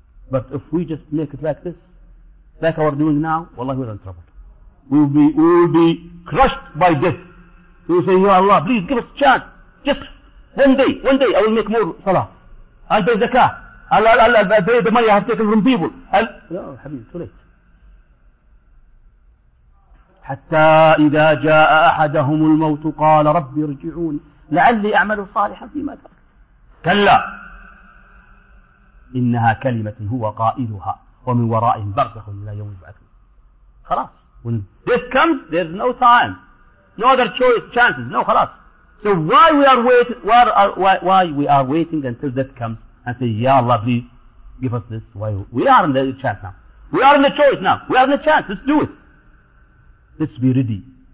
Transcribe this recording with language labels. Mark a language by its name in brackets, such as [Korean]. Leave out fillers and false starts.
[English] But if we just make it like this, like we're doing now, wallahi we're in trouble. We will be crushed by death. We will say, Ya Allah, please give us a chance. Just one day, I will make more salah. I'll pay zakah. I'll pay the money I have taken from people. No, Habib, too late. [Arabic] حتى إذا جاء أحدهم الموت قال ربي ارجعوني لعلي أعمل صالحا فيما ترك. كلا إنها كلمة هو قائلها ومن ورائهم برزخ إلى يوم يبعثون. خلاص. [English] When death comes, there's no time, no other choice, chances. No, خلاص. So why we are waiting? Why we are waiting until death comes and say, Ya Allah, please give us this. Why we are in the chance now? We are in the choice now. We are in the chance. Let's do it. Let's be ready.